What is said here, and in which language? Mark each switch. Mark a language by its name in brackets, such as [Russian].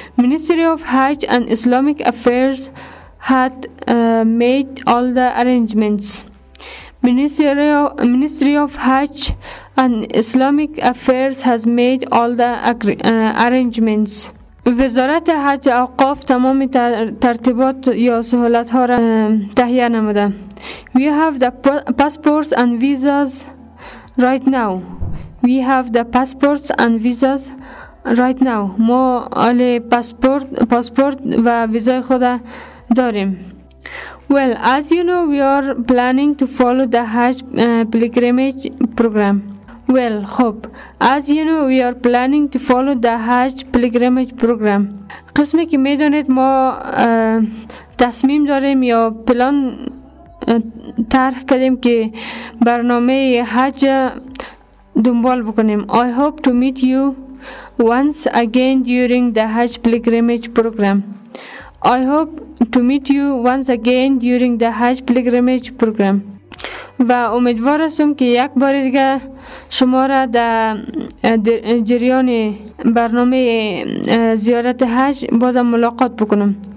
[English] Ministry of Hajj and Islamic Affairs had made all the arrangements. Ministry of Hajj and Islamic Affairs has made all the arrangements. [Persian] وزارت حج اوقاف تمام ترتیبات یا سهولت ها را تهیه نموده. [English] We have the passports and visas right now. We have the passports and visas right now. [Persian] ما آل پاسپورت و ویزای خود داریم. [English] Well, as you know, we are planning to follow the Hajj pilgrimage program. Well, خب. As you know, we are planning to follow the Hajj pilgrimage program. [Persian] قسمی که می دونید ما تصمیم داریم یا پلان طرح کردیم که برنامه حج دنبال بکنیم. [English] I hope to meet you once again during the Hajj pilgrimage program. I hope to meet you once again during the Hajj pilgrimage program. [Persian] و امیدوار هستم که یک بار دیگه شما را در جریان برنامه زیارت حج بازم ملاقات بکنم.